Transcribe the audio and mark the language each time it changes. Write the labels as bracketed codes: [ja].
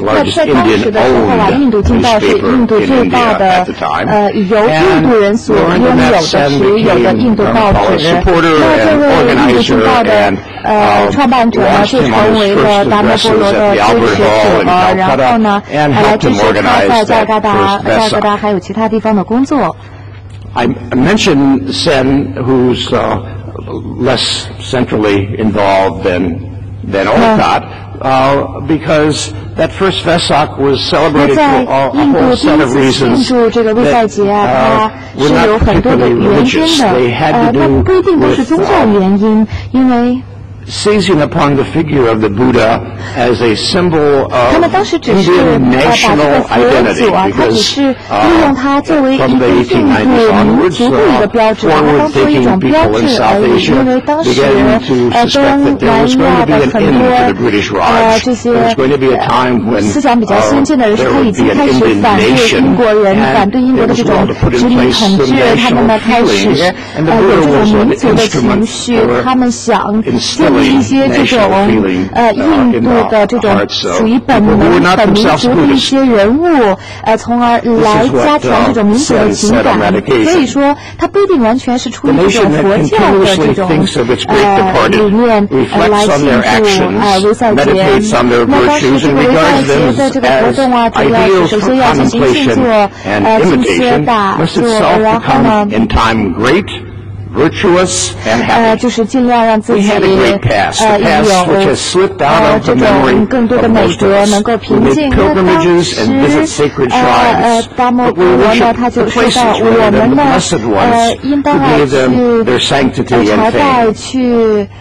[zh] 在当时的时候啊，印度镜报是印度最大的由印度人所拥有的持有的印度报纸。这位印度宗教的创办者呢，就成为了达摩波罗的支持者，然后呢，还来支持他在加尔各答还有其他地方的工作。 [en] I mentioned Sen, who's less centrally involved than Olcott, because that first Vesak was celebrated for a whole set of reasons that were not particularly religious. They had to do with seizing upon the figure of the Buddha as a symbol of Indian national identity, because from the 1890s onwards, forward-thinking people in South Asia began to suspect that there was going to be an end to the British Raj. There was going to be a time when there would be an Indian nation, and it was going to put in place some national feelings, and the Buddha was an instrument for instilling [zh] 一些这种印度的这种属于本民族的一些人物，从而来加强这种民族的情感。所以说，它不一定完全是出于这种佛教的这种理念来庆祝维塞节。那当时维塞节的这个活动啊，主要是首先要进行庆祝、进行打坐，然后呢。 [en] Virtuous and happy. [zh] 就是尽量让自己 [en] We had a great past. The past which has slipped out of the memory of most of us. We made pilgrimages and visit sacred shrines. But we worship the places where the blessed ones to give them their sanctity and fame.